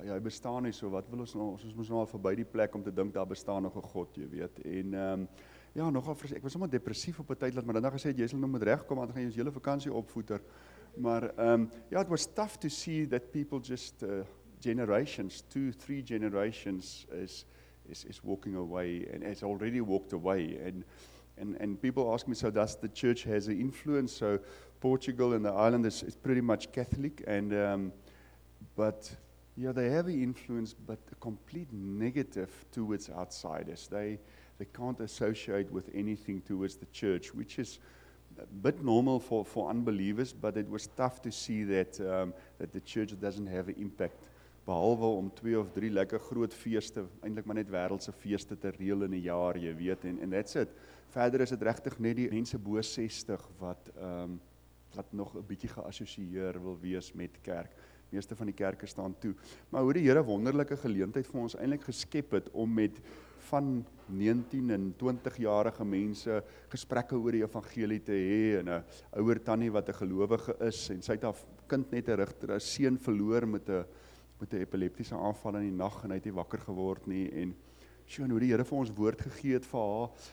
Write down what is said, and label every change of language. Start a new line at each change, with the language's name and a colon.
Afrikaans: Hy bestaan nie, so wat wil ons nou, ons moes nou al verby die plek om te dink, daar bestaan nog 'n God, jy weet. En nogal frustrerend, ek was sommer depressief op 'n tyd, maar dan gesê, jy sal nou moet regkom, want gaan jy ons hele vakansie opvoeter.
English: Maar it was tough to see that people just... generations, 2-3 generations is walking away and has already walked away. And people ask me, so does the church has an influence? So Portugal and the island is pretty much Catholic, but they have an influence, but a complete negative towards outsiders. They can't associate with anything towards the church, which is a bit normal for unbelievers, but it was tough to see that that the church doesn't have an impact.
Afrikaans: Behalwe om 2 of 3 lekker groot feeste, eintlik maar net wêreldse feeste te reël in 'n jaar, jy weet, en
English: that's it.
Afrikaans: Verder is dit regtig net die mense bo 60 wat nog 'n bietjie geassosieer wil wees met kerk. Meeste van die kerke staan toe. Maar hoe die Here wonderlike geleentheid vir ons eintlik geskep het om met van 19 en 20-jarige mense gesprekke oor die evangelie te hê, en 'n ouer tannie wat 'n gelowige is en sy het haar kind net 'n seun verloor met 'n epileptiese aanval in die nag en hy het nie wakker geword nie, en sjoe, hoe die Here vir ons woord gegee het vir haar.